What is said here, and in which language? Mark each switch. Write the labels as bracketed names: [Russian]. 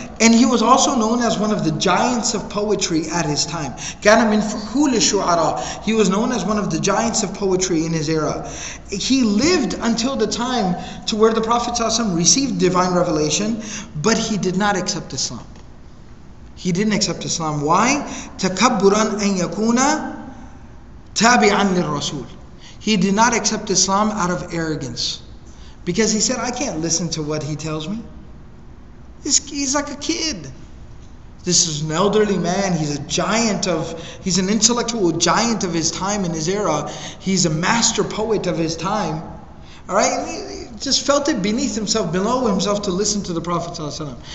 [English] And he was also known as one of the giants of poetry at his time. [Arabic] كَانَ مِنْ فُخُولِ الشُّعَرَىٰ. [English] He was known as one of the giants of poetry in his era. He lived until the time to where the Prophet ﷺ received divine revelation, but he did not accept Islam. He didn't accept Islam. Why? [Arabic] تَكَبُّرًا أَنْ يَكُونَ تَابِعًا لِلْرَسُولِ. [English] He did not accept Islam out of arrogance. Because he said, I can't listen to what he tells me. He's like a kid. This is an elderly man. He's an intellectual giant of his time and his era. He's a master poet of his time. All right, and he just felt it beneath himself, below himself, to listen to the Prophet ﷺ.